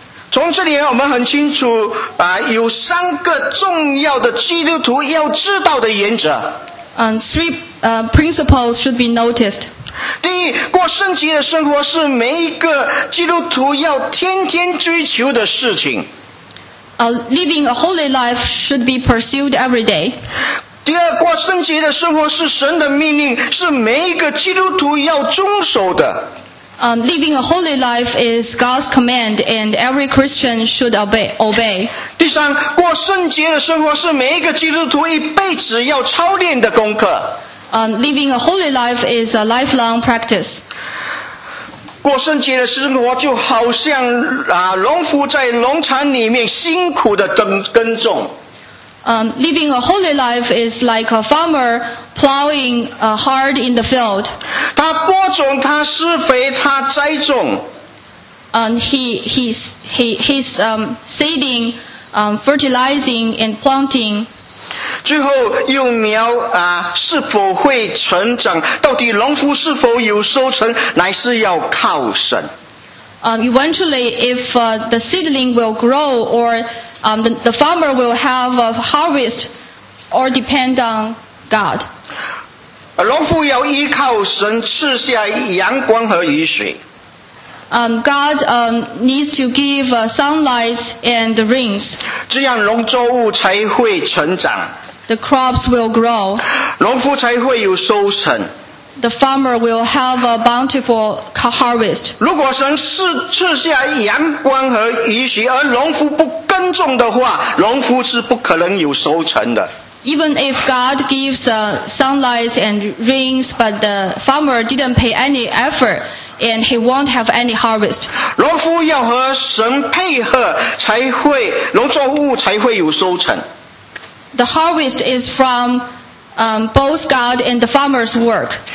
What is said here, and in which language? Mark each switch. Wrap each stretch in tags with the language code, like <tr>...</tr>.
<zh>从这里我们很清楚有三个重要的基督徒要知道的原则。</zh> <en>Three principles should be noticed.</en> <zh>第一，过圣洁的生活是每一个基督徒要天天追求的事情。</zh> <en>Living a holy life should be pursued every day.</en> <zh>第二，过圣洁的生活是神的命令，是每一个基督徒要遵守的。</zh> <en>Living a holy life is God's command, and every Christian should obey.</en> <zh>第三，过圣洁的生活是每一个基督徒一辈子要操练的功课。</zh> <en>Living a holy life is a lifelong practice.</en> <zh>过圣洁的生活就好像农夫在农场里面辛苦的耕种。</zh> <en>Living a holy life is like a farmer plowing hard in the field.</en> <zh>他播种，他施肥，他栽种。</zh> <en>He's seeding, fertilizing and planting.</en> <zh>最后幼苗是否会成长，到底农夫是否有收成，乃是要靠神。</zh> <en>Eventually, if the seedling will grow or the farmer will have a harvest, or depend on God.</en> <zh>农夫要依靠神赐下阳光和雨水。</zh> <en>God needs to give sunlight and rains.</en> <zh>这样农作物才会成长。</zh> <en>The crops will grow.</en> <zh>农夫才会有收成。</zh> <en>The farmer will have a bountiful harvest.</en> <zh>如果神赐下阳光和雨水，而农夫不耕种的话，农夫是不可能有收成的。</zh> <en>Even if God gives sunlight and rains, but the farmer didn't pay any effort, and he won't have any harvest.</en> <zh>农夫要和神配合，才会农作物才会有收成。</zh> <en>The harvest is from both God and the farmer's work.</en>